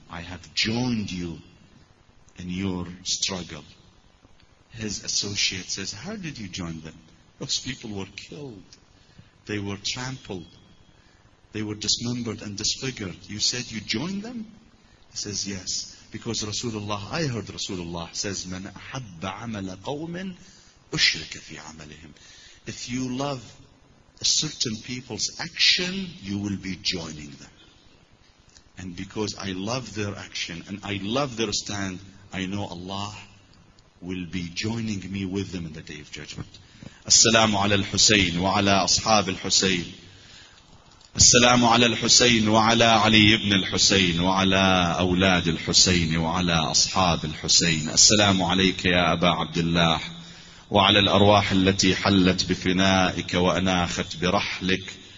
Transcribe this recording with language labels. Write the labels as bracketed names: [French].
[English] I have joined you in your struggle. His associate says, how did you join them? Those people were killed. They were trampled. They were dismembered and disfigured. You said you joined them? He says, yes. Because Rasulullah, I heard Rasulullah says, [Arabic] مَنْ أَحَبَّ عَمَلَ قَوْمٍ أُشْرِكَ فِي عَمَلِهِمْ. [English] If you love a certain people's action, you will be joining them. And because I love their action and I love their stand, I know Allah will be joining me with them in the Day of Judgment. [Arabic] السلام على الحسين وعلى أصحاب الحسين. السلام على الحسين وعلى علي بن الحسين وعلى أولاد الحسين وعلى أصحاب الحسين. السلام عليك يا أبا عبد الله وعلى الأرواح التي حلت بفنائك وأناخت برحلك.